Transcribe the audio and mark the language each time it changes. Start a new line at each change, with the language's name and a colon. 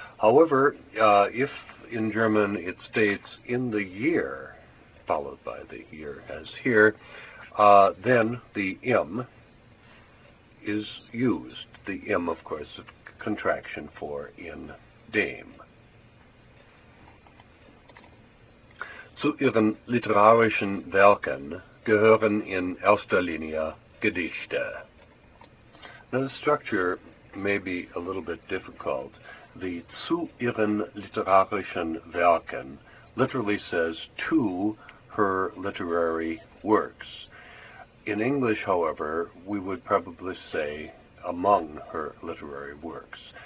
English: However, if in German it states in the year, followed by the year as here, then the im is used. The im, of course, is a contraction for
German: in dem. Zu ihren literarischen Werken gehören in erster Linie Gedichte.
English: Now the structure may be a little bit difficult. The
German: zu ihren literarischen Werken
English: literally says to her literary works. In English, however, we would probably say among her literary works.